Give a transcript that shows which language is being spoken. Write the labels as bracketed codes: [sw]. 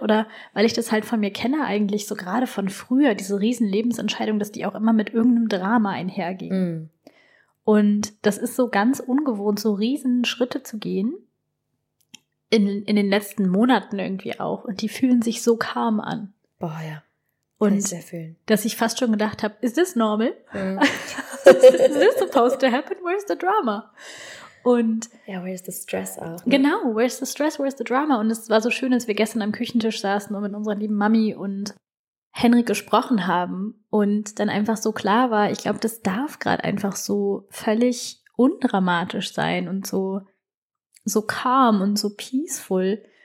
[de] Oder weil ich das halt von mir kenne eigentlich, so gerade von früher, diese riesen Lebensentscheidungen, dass die auch immer mit irgendeinem Drama einhergehen. Mm. Und das ist so ganz ungewohnt, so riesen Schritte zu gehen, in den letzten Monaten irgendwie auch. Und die fühlen sich so kaum an. Boah, ja. Und dass ich fast schon gedacht habe, ist das normal? Mm. [en] Is this supposed to happen? Where's the drama? [de] Und ja, [en] where's the stress [de] auch? Ne? Genau, [en] where's the stress, where's the drama? [de] Und es war so schön, als wir gestern am Küchentisch saßen und mit unserer lieben Mami und Henrik gesprochen haben und dann einfach so klar war, ich glaube, das darf gerade einfach so völlig undramatisch sein und so calm und so peaceful.